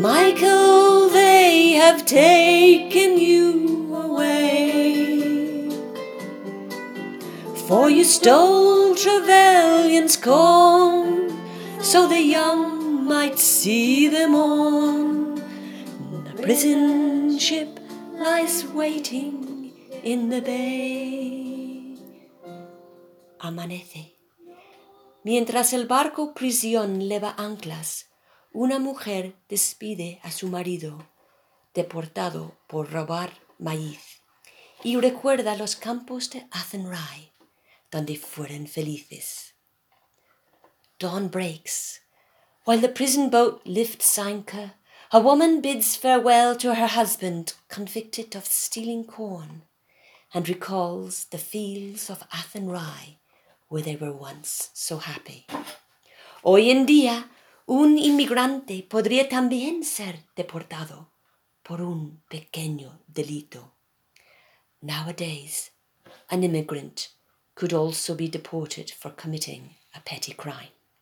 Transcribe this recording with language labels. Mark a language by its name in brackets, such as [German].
[English] Michael, they have taken you away, for you stole Trevelyan's corn, so the young might see them on. The prison ship lies waiting in the bay. [Spanish] Amanece. Mientras el barco prisión leva anclas, una mujer despide a su marido, deportado por robar maíz, y recuerda los campos de Athenry, donde fueron felices. [English] Dawn breaks. While the prison boat lifts anchor, a woman bids farewell to her husband, convicted of stealing corn, and recalls the fields of Athenry, where they were once so happy. [Spanish] Hoy en día, un inmigrante podría también ser deportado por un pequeño delito. [English] Nowadays, an immigrant could also be deported for committing a petty crime.